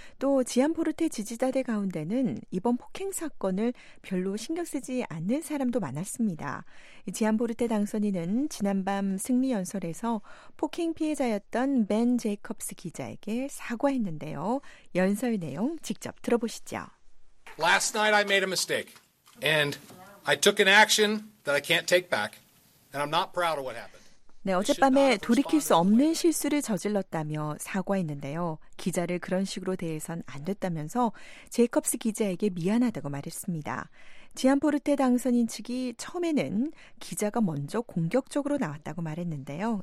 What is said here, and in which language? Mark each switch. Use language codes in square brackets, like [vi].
[ko] 또 지안포르테 지지자들 가운데는 이번 폭행 사건을 별로 신경 쓰지 않는 사람도 많았습니다. 지안포르테 당선인은 지난밤 승리 연설에서 폭행 피해자였던 벤 제이콥스 기자에게 사과했는데요. 연설 내용 직접 들어보시죠. [en] Last night I made a mistake. And I took an action that I can't take back. And I'm not proud of what happened. [ko] 네, 어젯밤에 돌이킬 수 없는 실수를 저질렀다며 사과했는데요. 기자를 그런 식으로 대해선 안 됐다면서 제이콥스 기자에게 미안하다고 말했습니다. 지안포르테 당선인 측이 처음에는 기자가 먼저 공격적으로 나왔다고 말했는데요.